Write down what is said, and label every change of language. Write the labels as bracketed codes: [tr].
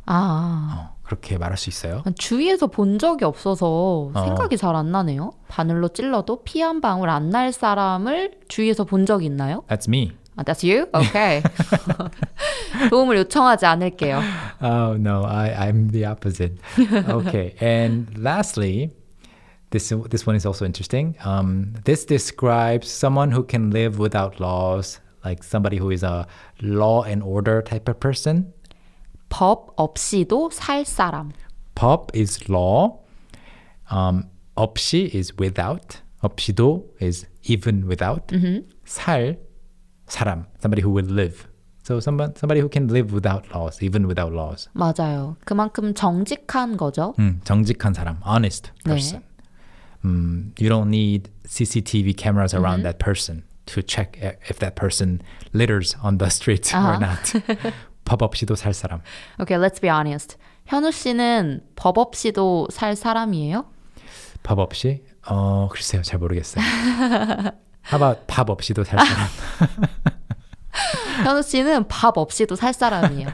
[ko] 아, 그렇게 말할 수 있어요? 주위에서 본 적이 없어서 생각이 잘 안 나네요. 바늘로 찔러도 피 한 방울 안 날 사람을 주위에서 본 적이 있나요? [en] That's me. That's you? Okay. [ko] 도움을 요청하지 않을게요. [en] Oh, no, I'm the opposite. Okay, and lastly, this one is also interesting. This describes someone who can live without laws, like somebody who is a law and order type of person. [ko] 법 없이도 살 사람. [en] 법 is law. 없이 is without. 없이도 is even without. Mm-hmm. 살, 사람, somebody who will live. So somebody who can live without laws, even without laws. [ko] 맞아요. 그만큼 정직한 거죠. 정직한 사람, [en] honest person. [ko] 네. [en] You don't need CCTV cameras around mm-hmm. that person to check if that person litters on the street or not. [ko] 법 없이도 살 사람. [en] Okay, let's be honest. [ko] 현우 씨는 법 없이도 살 사람이에요? 밥 없이? 글쎄요. 잘 모르겠어요. [en] How about [ko] 밥 없이도 살 사람? 현우 씨는 밥 없이도 살 사람이에요.